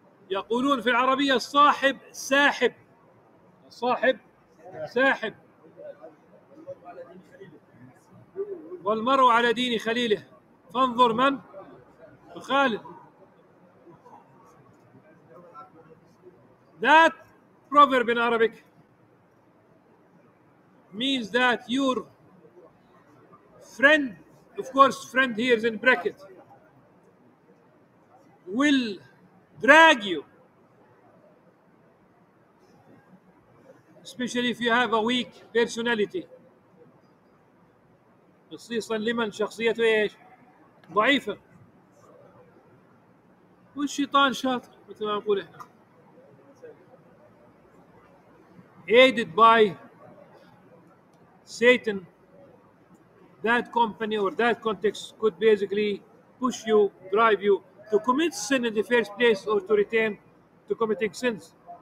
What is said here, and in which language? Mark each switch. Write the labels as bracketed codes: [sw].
[ar] يقولون في العربية صاحب ساحب صاحب ساحب والمرء على دين خليله فانظر من خالد. [en] That proverb in Arabic means that your friend, of course friend here is in bracket, will drag you, especially if you have a weak personality. [ar] خصيصا لمن شخصيته ايش؟ ضعيفة. والشيطان شاطر مثل ما نقول احنا. [en] Aided by Satan, that company or that context could basically push you, drive you to commit sin in the first place or to return to committing sins.